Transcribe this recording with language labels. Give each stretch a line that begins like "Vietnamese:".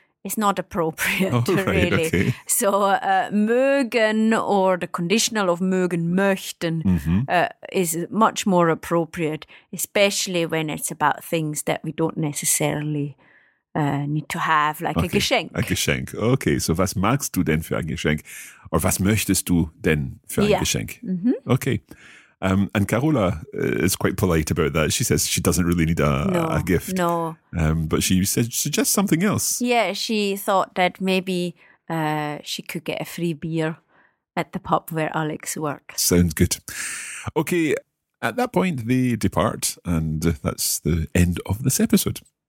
English: It's not appropriate, really. Okay. So mögen or the conditional of mögen, möchten is much more appropriate, especially when it's about things that we don't necessarily need to have, like a Geschenk. A Geschenk. Okay, so
German: was magst du denn für ein Geschenk?
English: Or
German: was möchtest du denn für ein Geschenk?
English: Mm-hmm. Okay. And Carola is quite polite about that. She says she doesn't really need a gift. No. But she said suggests something else. Yeah, she thought that maybe she could get a free beer at the pub where Alex works. Sounds good. Okay, at that point they depart, and that's the end of this episode.